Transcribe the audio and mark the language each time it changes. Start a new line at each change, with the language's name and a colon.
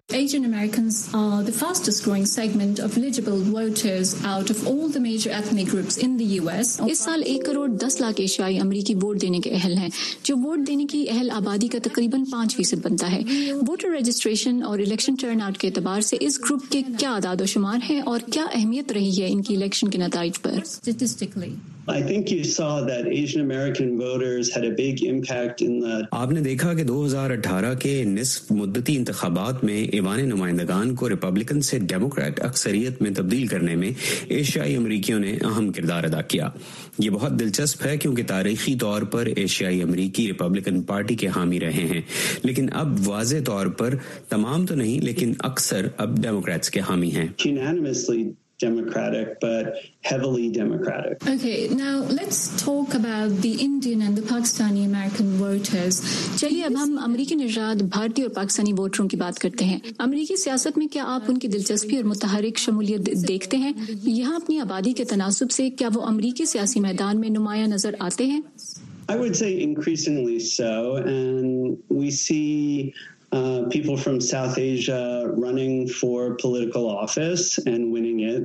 English: Asian Americans are the fastest growing segment of eligible voters out of all the major ethnic groups in the U S.
Urdu: اس سال 1,10,00,000 ایشیائی امریکی vote دینے کے اہل ہیں، جو ووٹ دینے کی اہل آبادی کا تقریباً 5% بنتا ہے۔ ووٹر رجسٹریشن اور الیکشن ٹرن آؤٹ کے اعتبار سے اس گروپ کے کیا اعداد و شمار ہیں اور کیا اہمیت رہی ہے ان کی الیکشن کے نتائج پر؟
English: Statistically, I think you saw that Asian American voters had a big impact in the
Urdu: آپ نے دیکھا کہ 2018 کے نصف مدتی انتخابات میں ایوان نمائندگان کو ریپبلکن سے ڈیموکریٹ اکثریت میں تبدیل کرنے میں ایشیائی امریکیوں نے اہم کردار ادا کیا۔ یہ بہت دلچسپ ہے کیونکہ تاریخی طور پر ایشیائی امریکی ریپبلکن پارٹی کے حامی رہے ہیں، لیکن اب واضح طور پر تمام تو نہیں لیکن اکثر اب ڈیموکریٹس کے حامی ہیں۔
English: Democratic, but heavily Democratic. Okay, now let's talk about the Indian and the Pakistani American voters.
Urdu: چلیے اب ہم امریکی نژاد بھارتی اور پاکستانی ووٹروں کی بات کرتے ہیں۔ امریکی سیاست میں کیا آپ ان کی دلچسپی اور متحرک شمولیت دیکھتے ہیں؟ یہاں اپنی آبادی کے تناسب سے کیا وہ امریکی سیاسی میدان میں نمایاں نظر آتے ہیں؟
English: I would say increasingly so, and we see people from South Asia running for political office and winning it.